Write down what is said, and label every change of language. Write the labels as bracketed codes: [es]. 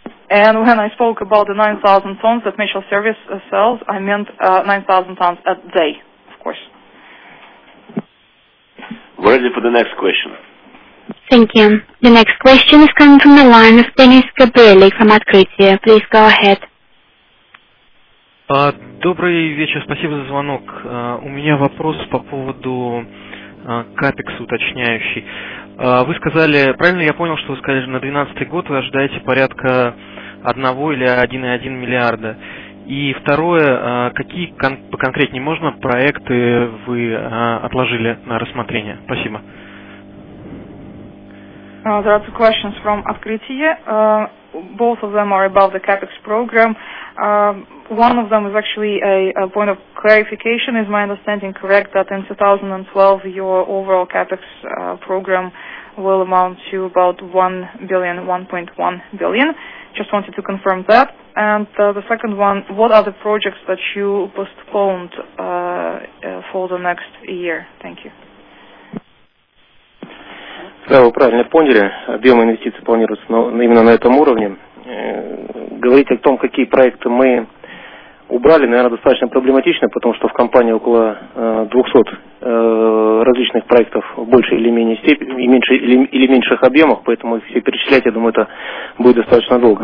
[en] And when I spoke about the 9,000 tons that Mitchell Service sells, I meant 9,000 tons a day, of course. We're ready for the next question. Thank you. The next question is coming from the line of Denis Gabrieli from Открытие. Please go ahead. [ru] Добрый вечер, спасибо за звонок. У меня вопрос по поводу капекса уточняющий. Вы сказали, правильно я понял, что вы сказали, на 2012 год вы ожидаете порядка 1 или 1,1 миллиарда. И второе, какие поконкретнее можно проекты вы отложили на рассмотрение? Спасибо. [en] There are two questions from Открытие. Both of them are about the CAPEX program. One of them is actually a point of clarification. Is my understanding correct that in 2012 your overall CAPEX program will amount to about $1.1 billion? Just wanted to confirm that. And the second one, what are the projects that you postponed for the next year? Thank you. [ru] Да, вы правильно поняли. Объемы инвестиций планируются именно на этом уровне. Говорить о том, какие проекты мы убрали, наверное, достаточно проблематично, потому что в компании около 200 различных проектов в большей или менее степени, или меньших объемах, поэтому их все перечислять, я думаю, это будет достаточно долго.